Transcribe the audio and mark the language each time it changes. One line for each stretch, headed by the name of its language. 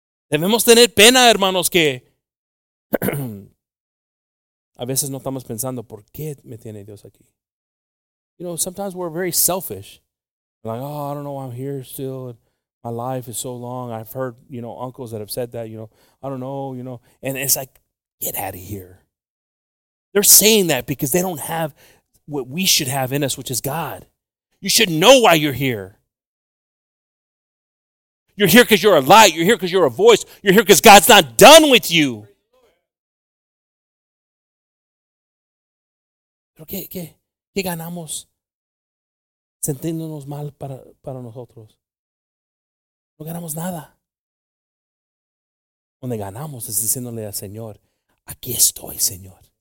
Spanish: Debemos tener pena, hermanos, que a veces no estamos pensando, ¿por qué me tiene Dios aquí?
English: Sometimes we're very selfish. Like, oh, I don't know why I'm here still. My life is so long. I've heard, uncles that have said that, I don't know, And it's like, get out of here. They're saying that because they don't have what we should have in us, which is God. You should know why you're here. You're here because you're a light. You're here because you're a voice. You're here because God's not done with you.
Spanish: Pero qué ganamos sintiéndonos mal para nosotros? No ganamos nada. donde ganamos es diciéndole al Señor, aquí estoy, Señor.